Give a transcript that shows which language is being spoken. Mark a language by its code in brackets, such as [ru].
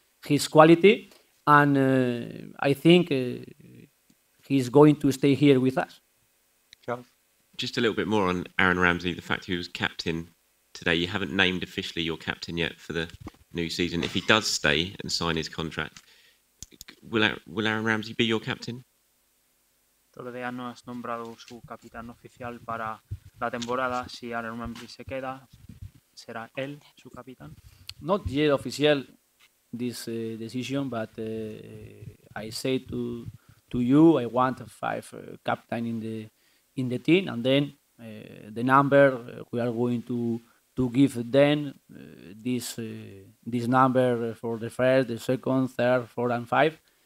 [en] his quality, and I think he's going to stay here with us. Just a little bit more on Aaron Ramsey, the fact he was captain today. You haven't named officially your captain yet for the new season. If he does stay and sign his contract, will Aaron Ramsey be your captain? [es] Todavía no has nombrado su capitán oficial para la temporada. Si Aaron Ramsey se queda, será él su capitán. [en] Not yet official this decision, but I say to you, I want five captain in the team, and then the number we are going to give them this number for the first, the second, third, four, and five.